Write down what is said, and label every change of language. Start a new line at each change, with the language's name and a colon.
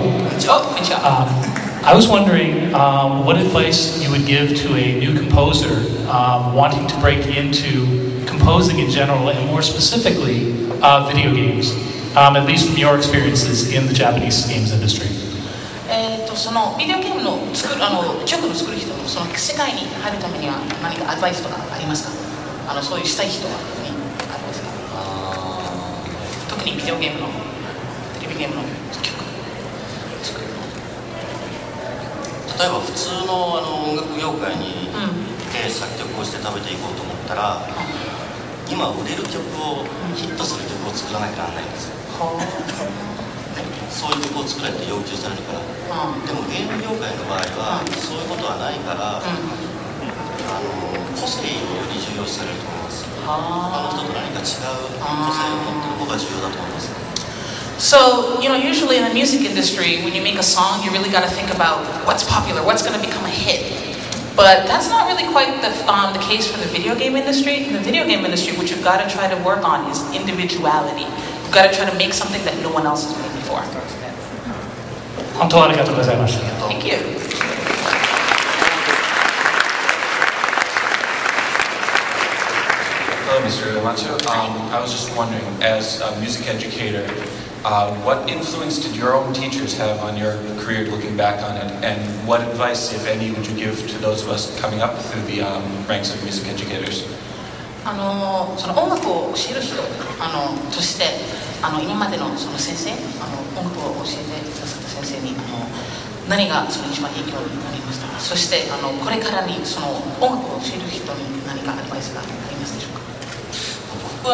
English: I was wondering what advice you would give to a new composer wanting to break into composing in general and more specifically video games, at least from your experiences in the Japanese games industry.
Japanese: そのビデオゲームの作る、曲の作る人のその世界に入るためには何かアドバイスとかありますか？そういうしたい人はね、アドバイスか。特にビデオゲームの、テレビゲームの例えば普通 の, 音楽業界に行って作曲をして食べていこうと思ったら、今売れる曲をヒットする曲を作らなきゃならないんですよ。そういう曲を作れって要求されるから。でもゲーム業界の場合はそういうことはないから、個性をより重要視されると思います。他の人と何か違う個性を持っている方が重要だと思います。
English: So, you know, usually in the music industry, when you make a song, you really got to think about what's popular, what's going to become a hit. But that's not really quite the case for the video game industry. In the video game industry, what you've got to try to work on is individuality. You've got to try to make something that no one else has made before. Thank you. Hello, Mr. Uematsu. I was just wondering, as a music educator, what influence did your own teachers have on your career looking back on it? And what advice, if any, would you give to those of us coming up through the ranks of music educators?
Japanese: その音楽を教える人として今までのその先生音楽を教えてくださった先生に何がその一番影響になりましたか？そしてこれからにその音楽を教える人に何かアドバイスがありますでしょうか？